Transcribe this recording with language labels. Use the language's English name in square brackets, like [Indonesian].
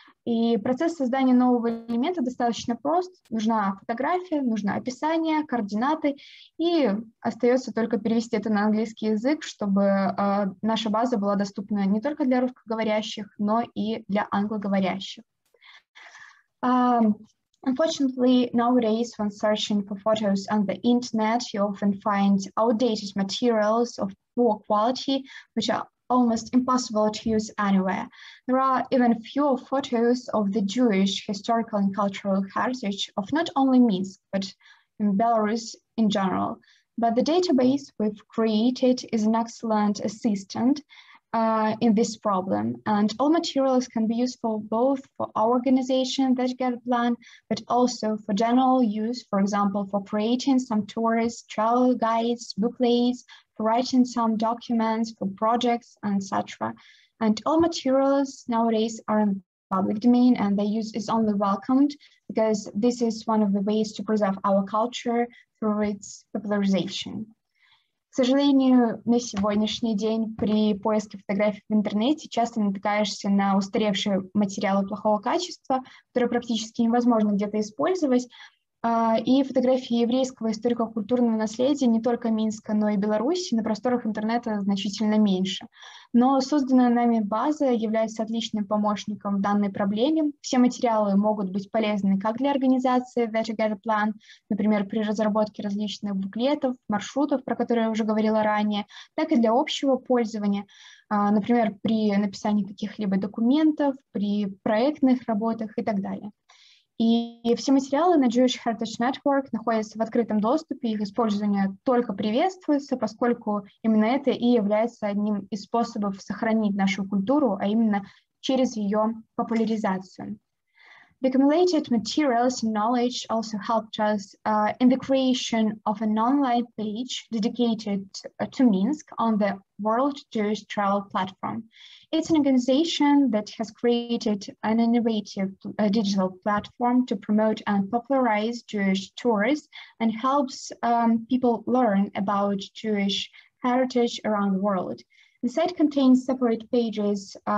[Russian] И процесс создания нового элемента достаточно прост. Нужна фотография, нужно описание, координаты. И остается только перевести это на английский язык, чтобы наша база была доступна не только для русскоговорящих, но и для англоговорящих. [English] Unfortunately, nowadays, when searching for photos on the internet, you often find outdated materials of poor quality, which are almost impossible to use anywhere. There are even fewer photos of the Jewish historical and cultural heritage of not only Minsk, but in Belarus in general. But the database we've created is an excellent assistant in this problem, and all materials can be useful both for our organization, Vajgo The Plan, but also for general use, for example, for creating some tourist travel guides, booklets, for writing some documents, for projects, etc. And all materials nowadays are in the public domain, and their use is only welcomed because this is one of the ways to preserve our culture through its popularization. [Russian] К сожалению, на сегодняшний день при поиске фотографий в интернете часто натыкаешься на устаревшие материалы плохого качества, которые практически невозможно где-то использовать. И фотографии еврейского историко-культурного наследия не только Минска, но и Беларуси на просторах интернета значительно меньше. Но созданная нами база является отличным помощником в данной проблеме. Все материалы могут быть полезны как для организации Vajgo The Plan, например, при разработке различных буклетов, маршрутов, про которые я уже говорила ранее, так и для общего пользования, например, при написании каких-либо документов, при проектных работах и так далее. И все материалы на Jewish Heritage Network находятся в открытом доступе, их использование только приветствуется, поскольку именно это и является одним из способов сохранить нашу культуру, а именно через ее популяризацию. [English] The accumulated materials and knowledge also helped us in the creation of an online page dedicated to Minsk on the World Jewish Travel Platform. It's an organization that has created an innovative digital platform to promote and popularize Jewish tours and helps people learn about Jewish heritage around the world. The site contains separate pages